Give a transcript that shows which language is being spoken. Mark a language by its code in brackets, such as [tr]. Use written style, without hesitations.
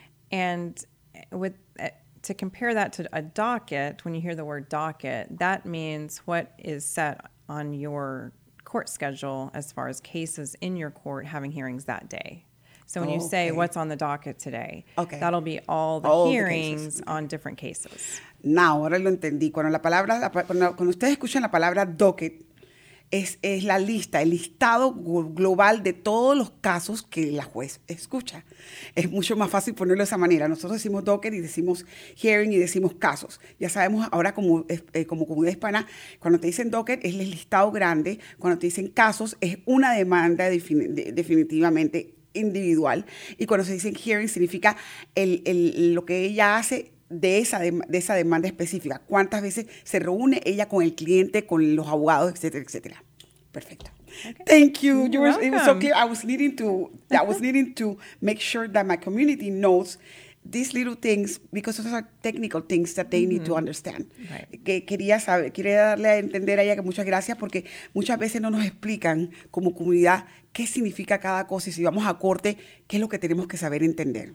[en] And to compare that to a docket, when you hear the word docket, that means what is set on your court schedule as far as cases in your court having hearings that day. So when you say, what's on the docket today? Okay. That'll be all hearings the on different cases. [es] Now, ahora lo entendí. Cuando ustedes escuchan la palabra docket, es la lista, el listado global de todos los casos que la juez escucha. Es mucho más fácil ponerlo de esa manera. Nosotros decimos docket y decimos hearing y decimos casos. Ya sabemos ahora como comunidad hispana, cuando te dicen docket es el listado grande. Cuando te dicen casos es una demanda definitivamente individual, y cuando se dice hearing significa lo que ella hace de esa demanda específica, cuántas veces se reúne ella con el cliente, con los abogados, etcétera, etcétera. Perfecto. [en] Okay. Thank you. You're welcome. It was so clear. I was needing to make sure that my community knows these little things, because those are technical things that they need to understand. Right. [es] Quería darle a entender a ella que muchas gracias, porque muchas veces no nos explican como comunidad qué significa cada cosa y si vamos a corte, qué es lo que tenemos que saber entender.